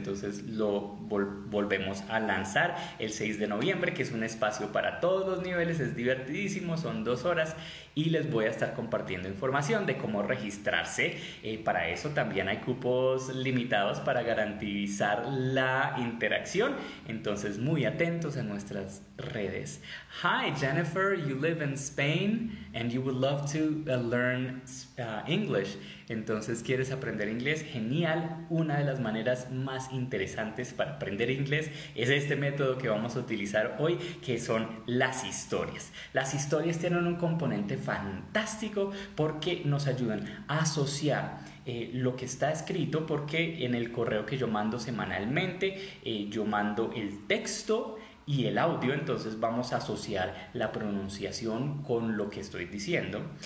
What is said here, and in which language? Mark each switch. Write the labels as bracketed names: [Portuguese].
[Spanish] Entonces lo volvemos a lanzar el 6 de noviembre, que es un espacio para todos los niveles. Es divertidísimo, son 2 horas y les voy a estar compartiendo información de cómo registrarse. Para eso también hay cupos limitados para garantizar la interacción. Entonces, muy atentos a nuestras redes. [English] Hi Jennifer, you live in Spain and you would love to learn English. [Spanish] Entonces, ¿quieres aprender inglés? Genial. Una de las maneras más interesantes para aprender inglés es este método que vamos a utilizar hoy, que son las historias. Las historias tienen un componente fantástico porque nos ayudan a asociar lo que está escrito, porque en el correo que yo mando semanalmente, yo mando el texto y el audio, entonces vamos a asociar la pronunciación con lo que estoy diciendo.